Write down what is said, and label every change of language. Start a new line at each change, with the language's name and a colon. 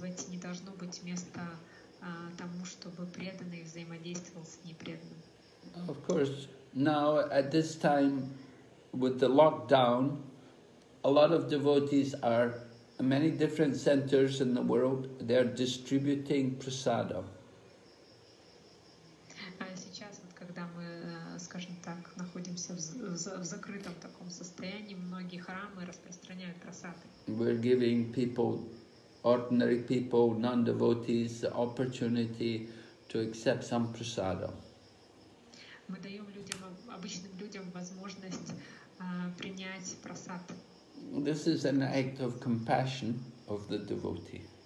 Russian: Не должно быть места тому, чтобы преданный взаимодействовал с непреданным.
English: Of course, now at this time with the lockdown, a lot of devotees are in many different centers in the world, they are distributing prasadam.
Russian: Сейчас, вот, когда мы, скажем так, находимся в закрытом таком состоянии, многие храмы распространяют прасады.
English: We're giving people, ordinary people, non-devotees, the opportunity to accept some prasadam.
Russian: Мы даем людям, обычным людям, возможность принять прасад.
English: This is an act of compassion of the devotee.